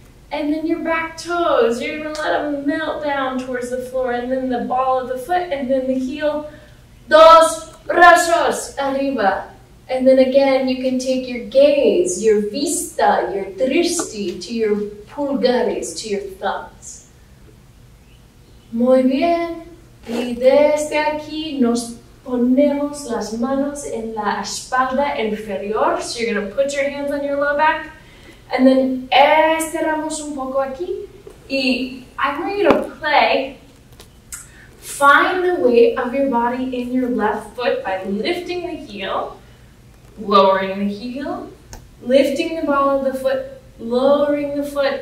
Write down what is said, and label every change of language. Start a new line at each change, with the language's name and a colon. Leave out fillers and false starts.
English: And then your back toes, you're going to let them melt down towards the floor. And then the ball of the foot and then the heel.
Spanish: Dos brazos arriba.
English: And then again, you can take your gaze, your vista, your dristi to your pulgares, to your thumbs.
Spanish: Muy bien. Y desde aquí nos ponemos las manos en la espalda inferior.
English: So you're going to put your hands on your low back. And then
Spanish: estiramos un poco aquí.
English: Y I want you to play. Find the weight of your body in your left foot by lifting the heel, lowering the heel, lifting the ball of the foot, lowering the foot.